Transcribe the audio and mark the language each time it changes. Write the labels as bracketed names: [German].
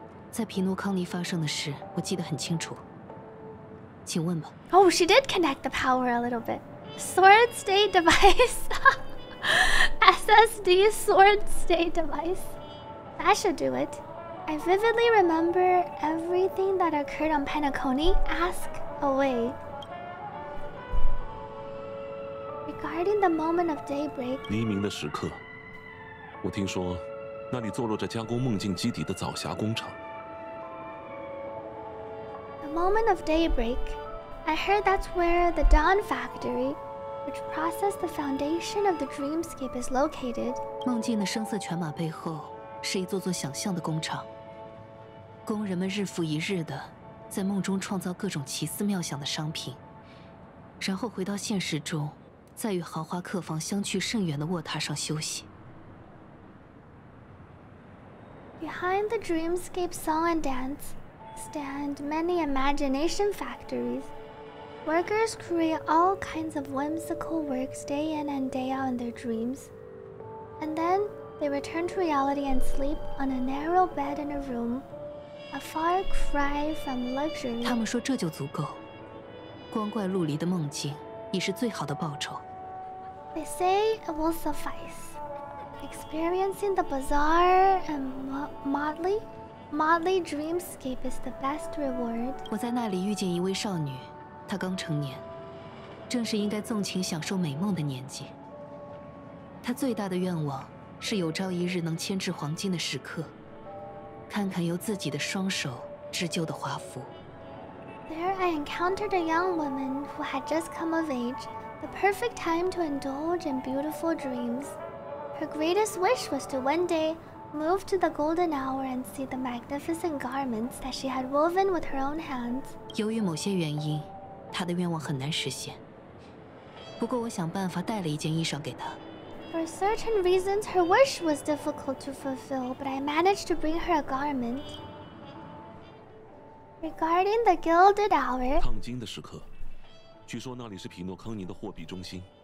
[Chinese] 在皮诺康尼发生的事，我记得很清楚。请问吧。 [English] Oh, she did connect the power a little bit. Sword state device. SSD sword state device. That should do it. I vividly remember everything that occurred on Panacone. Ask away. Regarding the moment of daybreak. [Chinese] 黎明的时刻，我听说那里坐落着加工梦境基底的早霞工厂。 [English] The moment of daybreak. I heard that's where the Dawn Factory. Which process the foundation of the dreamscape is located. [Chinese] 梦境的声色犬马背后是一座座想象的工厂。工人们日复一日地在梦中创造各种奇思妙想的商品。然后回到现实中在与豪华客房相去甚远的卧榻上休息。 [English] Behind the dreamscape song and dance stand many imagination factories. Workers create all kinds of whimsical works day in and day out in their dreams. And then they return to reality and sleep on a narrow bed in a room, a far cry from luxury. [Chinese] 他们说这就足够。光怪陆离的梦境已是最好的报酬。 [English] They say it will suffice. Experiencing the bizarre and motley dreamscape is the best reward. [Chinese] 我在那里遇见一位少女。他刚成年，正是应该纵情享受美梦的年纪。他最大的愿望是有朝一日能牵制黄金的时刻，看看由自己的双手织就的华服。 [English] There I encountered a young woman who had just come of age, the perfect time to indulge in beautiful dreams. Her greatest wish was to one day move to the golden hour and see the magnificent garments that she had woven with her own hands. [Chinese] 由于某些原因。她的愿望很难实现。不过我想办法带了一件衣裳给她。 [English] For certain reasons, her wish was difficult to fulfill, but I managed to bring her a garment. Regarding the gilded hour, [Chinese] 烫金的时刻，据说那里是匹诺康尼的货币中心。